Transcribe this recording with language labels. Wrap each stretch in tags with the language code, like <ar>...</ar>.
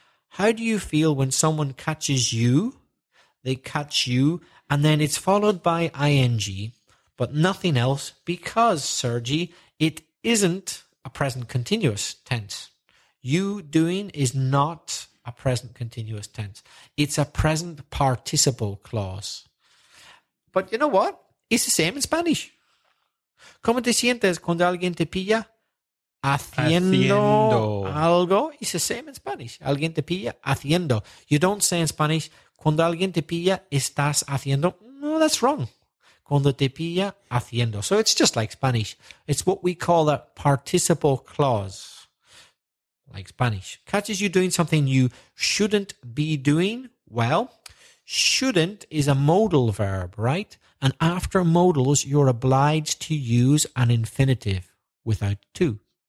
<en>How do you feel when someone catches you? They catch you, and then it's followed by ing, but nothing else, because, Sergi, it isn't a present continuous tense. You doing is not a present continuous tense. It's a present participle clause. But you know what? It's the same in Spanish.</en> <es>¿Cómo te sientes cuando alguien te pilla haciendo algo?</es> <en>It's the same in Spanish.</en> <es>Alguien te pilla haciendo.</es> <en>You don't say in Spanish,</en> <es>cuando alguien te pilla, estás haciendo.</es> <en>No, that's wrong.</en> <es>Cuando te pilla haciendo.</es> <en>So it's just like Spanish. It's what we call a participle clause. Like Spanish. Catches you doing something you shouldn't be doing? Well, shouldn't is a modal verb, right? And after modals, you're obliged to use an infinitive without to.</en>